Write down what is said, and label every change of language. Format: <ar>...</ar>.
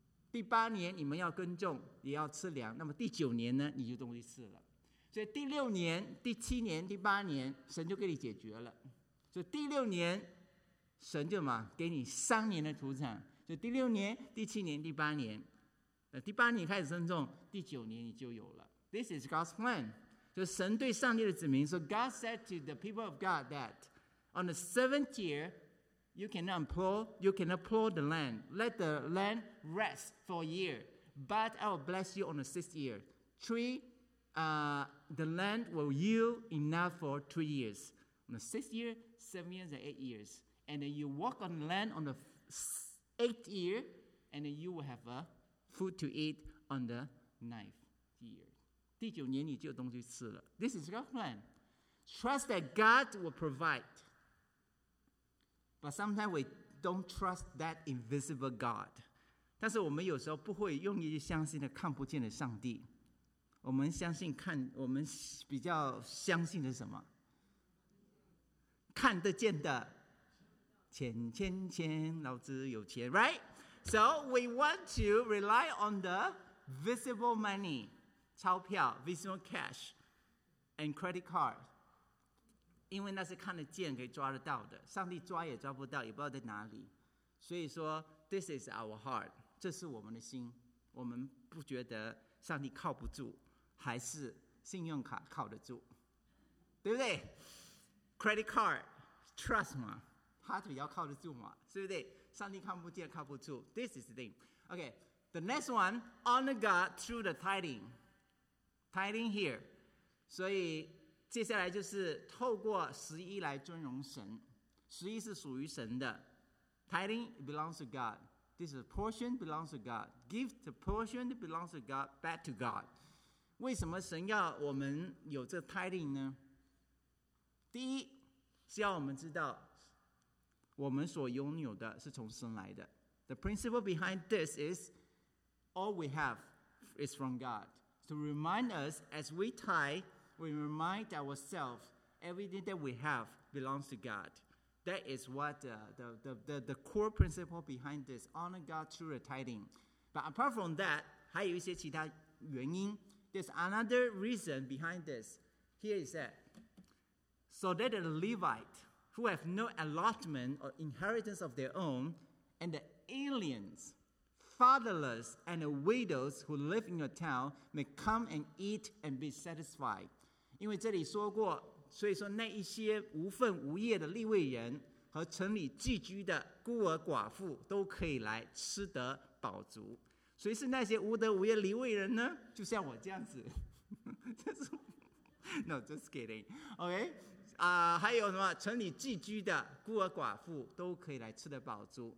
<zh>第八年你们要耕种，也要吃粮，那么第九年呢，你就东西吃了。所以第六年、第七年、第八年，神就给你解决了。所以第六年，神就嘛给你三年的土产。就第六年、第七年、第八年，第八年开始耕种，第九年你就有了。</zh> <en>This is God's plan.</en> <zh>就神对上帝的子民说</zh> <en>，God said to the people of God that on the seventh year you cannot plow, you cannot plow the land. Let the land rest for a year, but I will bless you on the sixth year. The land will yield enough for 3 years. On the sixth year, 7 years, and 8 years. And then you walk on the land on the eighth year, and then you will have food to eat on the ninth year.</en> <zh>第九年你就有东西吃了。</zh> <en>This is God's plan. Trust that God will provide. But sometimes we don't trust that invisible God.</en> <zh>但是我们有时候不会用于相信的看不见的上帝。我们相信看，我们比较相信的是什么？看得见的，钱钱钱，老子有钱 ，right?</zh> <en>So we want to rely on the visible money, 钞票 ，visible cash, and credit card,</en> <zh>因为那是看得见、可以抓得到的。上帝抓也抓不到，也不知道在哪里。所以说 ，</zh> <en>this is our heart,</en> <zh>这是我们的心。我们不觉得上帝靠不住。还是信用卡靠得住，对不对 ？</zh> <en>Credit card trust</en> <zh>嘛，他比较靠得住嘛，对不对？上帝看不见，靠不住。</zh> <en>This is the thing. Okay, the next one, honor God through the tithing. Tithing here.</en> <zh>所以接下来就是透过十一来尊荣神。十一是属于神的 ，</zh> <en>tithing belongs to God. This is a portion belongs to God. Give the portion belongs to God back to God.</en> <zh>为什么神要我们有这 tithing 呢？第一是要我们知道，我们所拥有的是从神来的。</zh> <en>The principle behind this is all we have is from God. To remind us, as we tithe, we remind ourselves everything that we have belongs to God. That is what the core principle behind this: honor God through the tithing. But apart from that,</en> <zh>还有一些其他原因。</zh> <en>There's another reason behind this. Here is that. So that the Levite, who have no allotment or inheritance of their own, and the aliens, fatherless, and the widows who live in your town may come and eat and be satisfied.</en> <zh>因为这里说过，所以说那一些无份无业的利未人和城里寄居的孤儿寡妇都可以来吃得饱足。谁是那些无德无业离位人呢？就像我这样子，这是</zh> <en>no just kidding，</en> <zh>OK 啊，还有什么城里寄居的孤儿寡妇都可以来吃得饱足。</zh>